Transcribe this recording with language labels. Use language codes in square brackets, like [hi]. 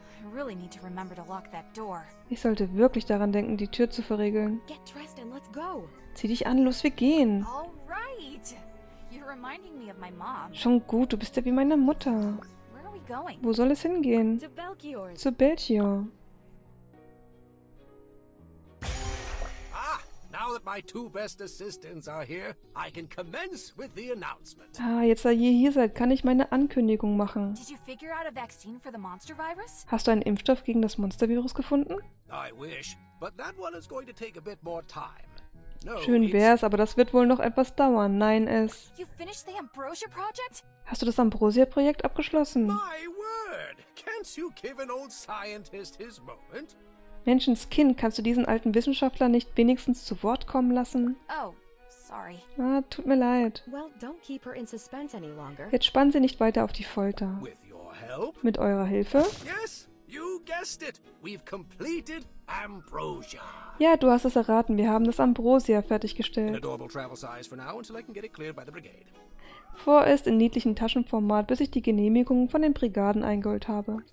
[en] really need to remember to lock that door. [de] Ich sollte wirklich daran denken, die Tür zu verriegeln. [en] Get dressed and let's go. [de] Zieh dich an, los, wir gehen. [en] All right. You're reminding me of my mom. [de] Schon gut, du bist ja wie meine Mutter. [en] Where are we going? [de] Wo soll es hingehen? [en] To Belchior. [de] Zu Belchior. [en] Ah, now that my two best assistants are here, I can commence with the announcement. [de] Ah, jetzt da ihr hier seid, kann ich meine Ankündigung machen. [en] Did you figure out a vaccine for the monster virus? [de] Hast du einen Impfstoff gegen das Monstervirus gefunden? [en] I wish, but that one is going to take a bit more time. [de] Schön wär's, aber das wird wohl noch etwas dauern. Nein, es... [en] You finished the Ambrosia Project? [de] Hast du das Ambrosia-Projekt abgeschlossen? [en] My word! Can't you give an old scientist his moment? [de] Menschenskind, kannst du diesen alten Wissenschaftler nicht wenigstens zu Wort kommen lassen? [en] Oh, sorry. [de] Ah, tut mir leid. [en] Well, don't keep her in suspense any longer. [de] Jetzt spann sie nicht weiter auf die Folter. [en] With your help? [de] Mit eurer Hilfe? [en] Yes, you guessed it. We've completed Ambrosia. [de] Ja, du hast es erraten. Wir haben das Ambrosia fertiggestellt. [en] An adorable travel size for now until I can get it cleared by the brigade. [de] Vorerst in niedlichem Taschenformat, bis ich die Genehmigung von den Brigaden eingeholt habe.